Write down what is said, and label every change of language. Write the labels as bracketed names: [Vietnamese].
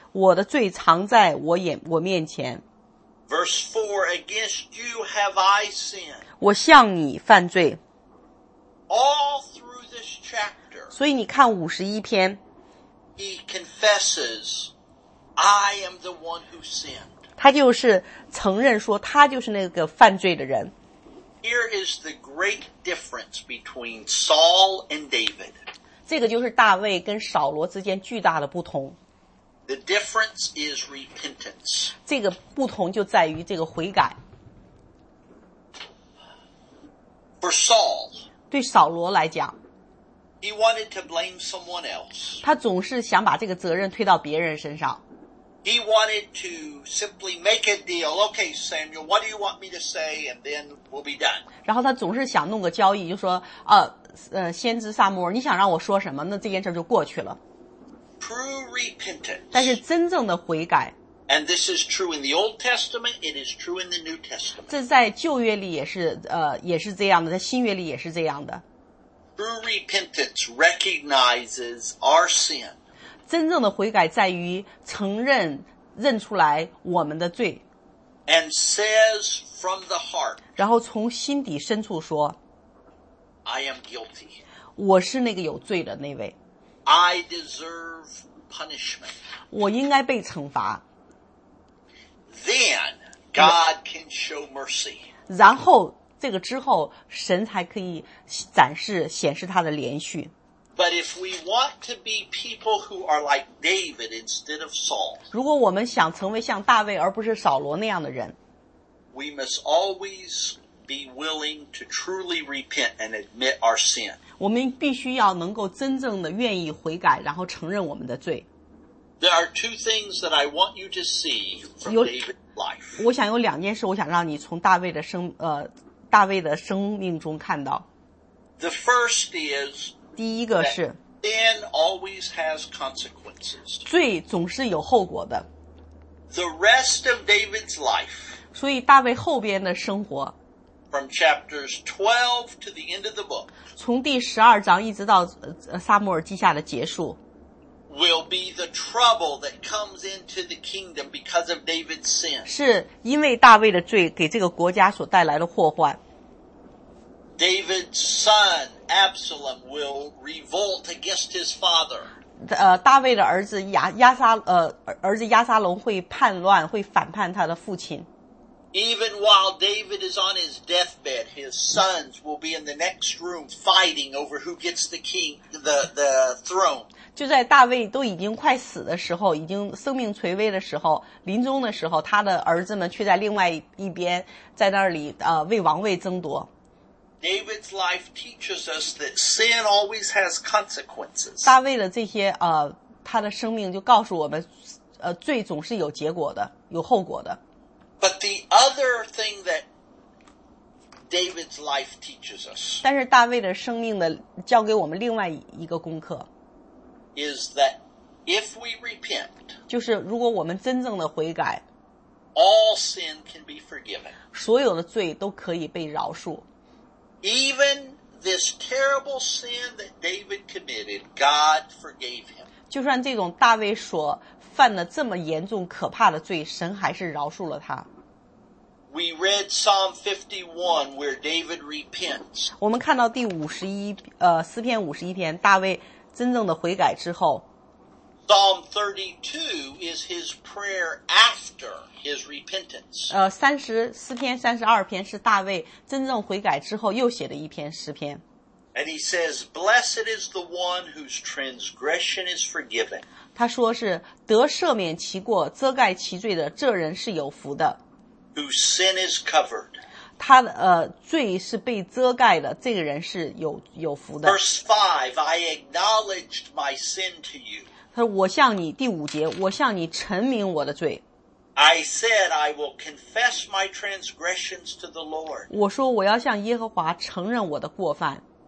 [Chinese] 我的罪藏在我面前。 [English] Verse 4, against you have I sinned. [Chinese] 我向你犯罪。 [English] All through this chapter. [Chinese] 所以你看51篇。 [English] He confesses, I am the one who sinned. [Chinese] 他就是承认说他就是那个犯罪的人。 [English] Here is the great difference between Saul and David. [Chinese] 这个就是大卫跟扫罗之间巨大的不同。 [English] The difference is repentance. [Chinese] 这个不同就在于这个悔改。 [English] For Saul, [Chinese] 对扫罗来讲， [English] he wanted to blame someone else. [Chinese] 他总是想把这个责任推到别人身上。 [English] He wanted to simply make a deal. Okay, Samuel, what do you want me to say? And then we'll be done. [Chinese] 然后他总是想弄个交易，就说，先知撒母耳，你想让我说什么？那这件事就过去了。 [English] True repentance. [Chinese] 但是真正的悔改。 [English] And this is true in the Old Testament. It is true in the New Testament. [Chinese] 这在旧约里也是这样的，在新约里也是这样的。 [English] True repentance recognizes our sin. [Chinese] 真正的悔改在于承认认出来我们的罪 [English] and says from the heart, [Chinese] 然后从心底深处说 [English] I am guilty. [Chinese] 我是那个有罪的那位 [English] I deserve punishment. [Chinese] 我应该被惩罚 [English] Then God can show mercy. [Chinese] 然后这个之后神才可以展示显示他的怜恤 [English] But if we want to be people who are like David instead of Saul, [Chinese] 如果我们想成为像大卫而不是扫罗那样的人 [English] we must always be willing to truly repent and admit our sin. [Chinese] 我们必须要能够真正的愿意悔改然后承认我们的罪 [English] There are two things that I want you to see from David's life. [Chinese] 我想有两件事我想让你从大卫的生命中看到 [English] The first is, [Chinese] 第一个是 [English] sin always has consequences. [Chinese] 罪总是有后果的。 [English] The rest of David's life. [Chinese] 所以大卫后边的生活。 [English] From chapters 12 to the end of the book. [Chinese] 从第十二章一直到撒母耳记下的结束。 [English] Will be the trouble that comes into the kingdom because of David's sin. [Chinese] 是因为大卫的罪给这个国家所带来的祸患。 [English] David's son Absalom will revolt against his father. [Chinese] 大卫的儿子亚撒龙会叛乱，会反叛他的父亲。 [English] Even while David is on his deathbed, his sons will be in the next room fighting over who gets the throne. [Chinese] 就在大卫都已经快死的时候，已经生命垂危的时候，临终的时候，他的儿子们却在另外一边，在那里为王位争夺。 [English] David's life teaches us that sin always has consequences. [Chinese] 大卫的这些他的生命就告诉我们罪总是有结果的，有后果的。 [English] But the other thing that David's life teaches us. [Chinese] 但是大卫的生命的教给我们另外一个功课。 [English] Is that if we repent. [Chinese] 就是如果我们真正的悔改。 [English] All sin can be forgiven. [Chinese] 所有的罪都可以被饶恕。 [English] Even this terrible sin that David committed, God forgave him. [Chinese] 就算这种大卫所犯的这么严重可怕的罪，神还是饶恕了他。 [English] We read Psalm 51 where David repents. [Chinese] 我们看到第诗篇51篇，大卫真正的悔改之后。 [English] Psalm 32 is his prayer after his repentance. [Chinese] 34篇、32篇是大卫真正悔改之后又写的一篇诗篇。 [English] And he says, "Blessed is the one whose transgression is forgiven." [Chinese] 他说是得赦免其过、遮盖其罪的这人是有福的。 [English] Whose sin is covered. [Chinese] 他罪是被遮盖的，这个人是有福的。 [English] Verse 5, "I acknowledged my sin to you." [Chinese] 他说我向你第五节，我向你陈明我的罪。 [English] I said I will confess my transgressions to the Lord. [Chinese] 我说我要向耶和华承认我的过犯。